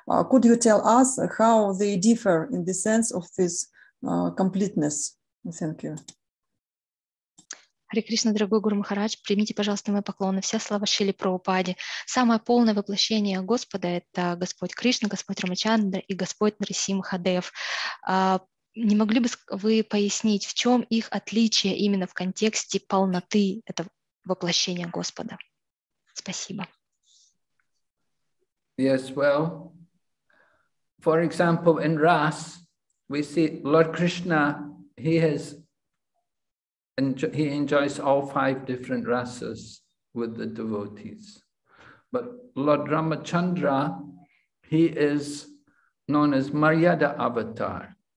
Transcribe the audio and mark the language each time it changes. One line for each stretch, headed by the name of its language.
English: Could you tell us how they differ in the sense of this completeness? Thank you.
Russian: Hare Krishna, дорогой Гуру Махарадж, примите, пожалуйста, мои поклоны. Вся слава Шриле Прабхупаде. Самое полное воплощение Господа — это Господь Кришна, Господь Рамачандра и Господь Нрисимхадев. Не могли бы вы пояснить, в чем их отличие именно в контексте полноты этого воплощения Господа? Спасибо.
English: Yes, well, for example, in Ras, we see Lord Krishna, he enjoys all five different rasas with the devotees. But Lord Ramachandra, he is known as Maryada Avatar.